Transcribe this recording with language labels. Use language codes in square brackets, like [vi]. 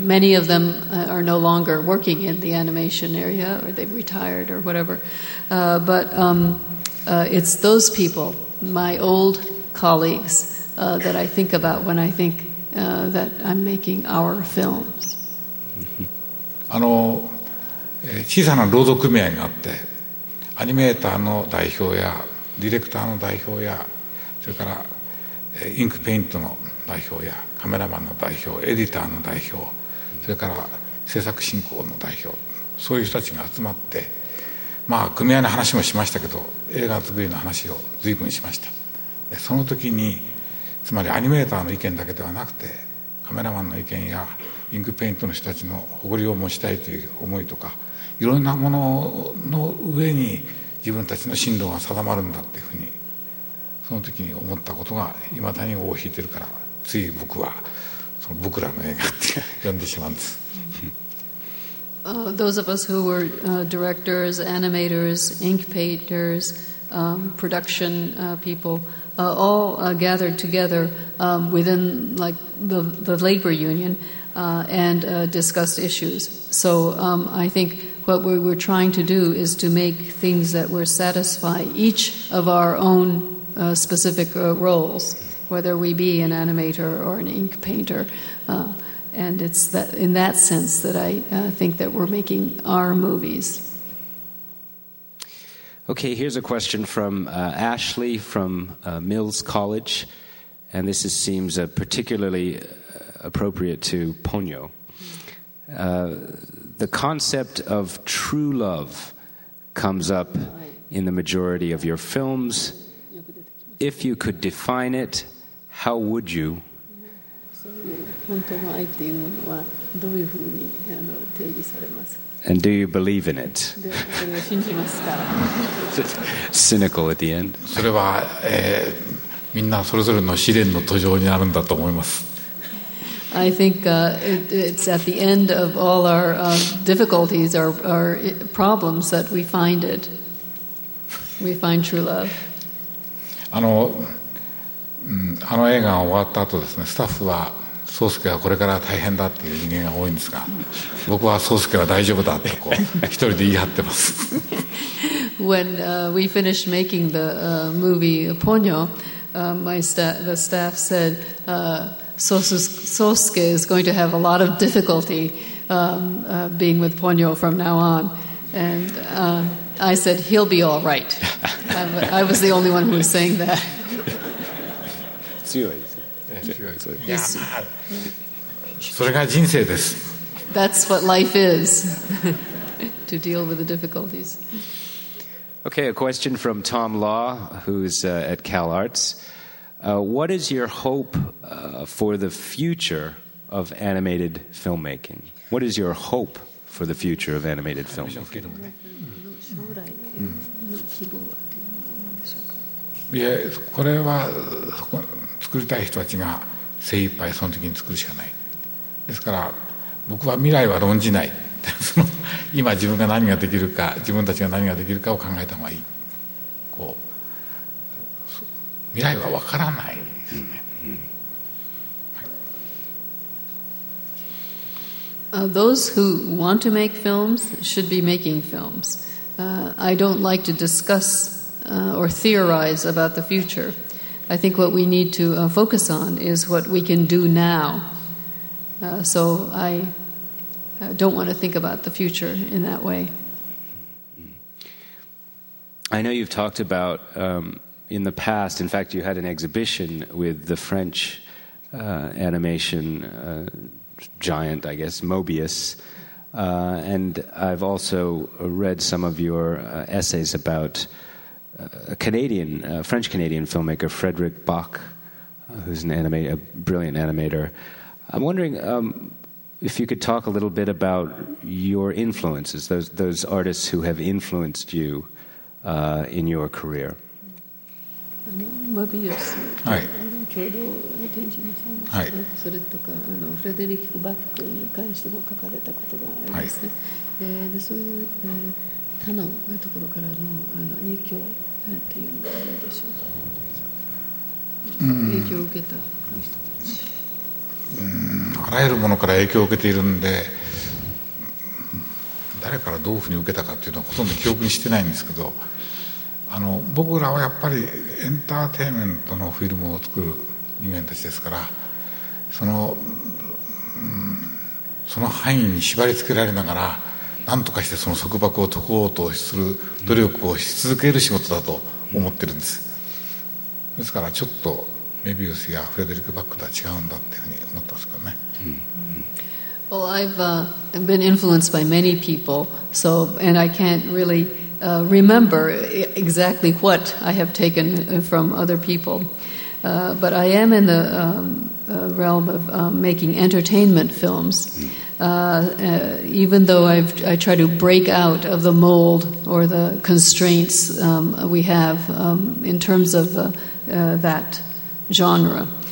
[en] Many of them are no longer working in the animation area or they've retired or whatever. It's those people, my old colleagues, that I think about when I think that I'm making our films. [ja] 小さな労働組合があって、アニメーターの代表やディレクターの代表や、それからインクペイントの代表やカメラマンの代表、エディターの代表、それから制作進行の代表、そういう人たちが集まって、まあ組合の話もしましたけど、映画作りの話を随分しました。その時につまりアニメーターの意見だけではなくて、カメラマンの意見やインクペイントの人たちの誇りを持ちたいという思いとか、いろんなものの上に自分たちの進路が定まるんだっていうふうにその時に思ったことが未だに尾を引いてるから、つい僕はその僕らの映画って呼んでしまうんです。 [en] Those of us who were directors, animators, ink painters, production people, all gathered together within like the labor union and discussed issues. So I think what we were trying to do is to make things that were satisfy each of our own specific roles, whether we be an animator or an ink painter. And it's that, in that sense that I think that we're making our movies. Okay, here's a question from Ashley from Mills College. And this is, seems particularly appropriate to Ponyo. The concept of true love comes up in the majority of your films. If you could define it, how would you? [ja] 本当の愛というものはどういうふうに定義されますか? [en] And do you believe in it? [ja] それを信じますか? [en] Cynical at the end. [ja] それは、みんなそれぞれの試練の途上になるんだと思います。 [en] I think it's at the end of all our difficulties, our problems that we find it. We find true love. [ja] あの映画が終わった後ですね、スタッフは宗介はこれから大変だっていう人間が多いんですが、僕は宗介は大丈夫だってこう一人で言い張ってます。 [en] When we finished making the movie Ponyo, the staff said, Sosuke is going to have a lot of difficulty being with Ponyo from now on. And I said, he'll be all right. I was the only one who was saying that. [ja] 強い。いや、それが人生です。 [en] That's what life is. To deal with the difficulties. Okay, a question from Tom Law, who's at CalArts. What is your hope for the future of animated filmmaking? What is your hope for the future of animated filmmaking? [ja] 将来の希望というのはどうでしょうか。いや、これは作りたい人たちが精一杯その時に作るしかない。ですから僕は未来は論じない。その今自分が何ができるか、自分たちが何ができるかを考えた方がいい。こう未来は分からないですね。 [en] Those who want to make films should be making films. I don't like to discuss or theorize about the future. I think what we need to focus on is what we can do now. So I don't want to think about the future in that way. I know you've talked about in the past, in fact, you had an exhibition with the French animation giant, I guess, Mobius. And I've also read some of your essays about a Canadian, French-Canadian filmmaker, Frédéric Bach, who's a brilliant animator. I'm wondering if you could talk a little bit about your influences, those artists who have influenced you in your career. Mobius. Hi. [ja] ちょうど天神さんもそ れ,、はい、それとかフレデリック・バックに関しても書かれたことがありますね、はい、でそういう、他のところから の影響っていうのはどうでしょう、うん、影響を受けた人たち、うん、あらゆるものから影響を受けているんで誰からどういうふうに受けたかっていうのはほとんど記憶にしてないんですけど、僕らはやっぱりエンターテインメントのフィルムを作る人間たちですから、その、うん、その範囲に縛り付けられながら何とかしてその束縛を解こうとする努力をし続ける仕事だと思ってるんです。ですからちょっとメビウスやフレデリック・バックとは違うんだっていうふうに思ったんですけどね。 [en] Well, I've been influenced by many people, so, and I can't reallyremember exactly what I have taken from other people. But I am in the realm of making entertainment films, even though I try to break out of the mold or the constraints we have in terms of that genre.